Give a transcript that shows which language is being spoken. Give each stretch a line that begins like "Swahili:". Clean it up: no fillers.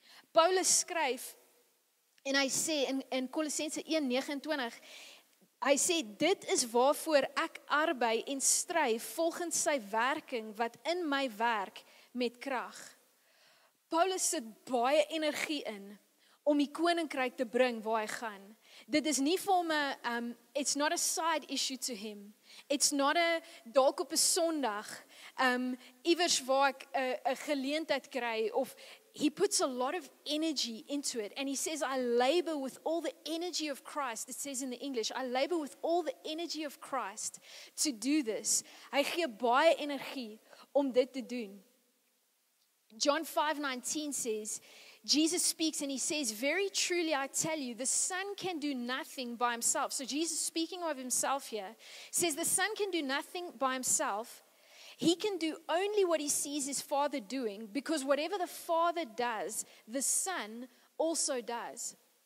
Afrikaans: Paulus skryf, en hy sê in Kolossense 1:29, hy sê, dit is waarvoor ek arbei en stry volgens sy werking wat in my werk met krag. Paulus sit baie energie in om die koninkryk te bring waar hy gaan. Dit is nie vir my,
English: it's not a side issue to him. It's not a
Afrikaans: dalk op 'n Sondag, iewers waar ek 'n geleentheid kry of
English: He puts a lot of energy into it. And he says, I labor with all the energy of Christ. It says in the English, I labor with all the energy of Christ to do this.
Afrikaans: Hy gee baie energie om dit te doen.
English: John 5:19 says, Jesus speaks and he says, very truly I tell you, the Son can do nothing by himself. So Jesus speaking of himself here, says the Son can do nothing by himself. He can do only what he sees his Father doing, because whatever the Father does, the Son also does.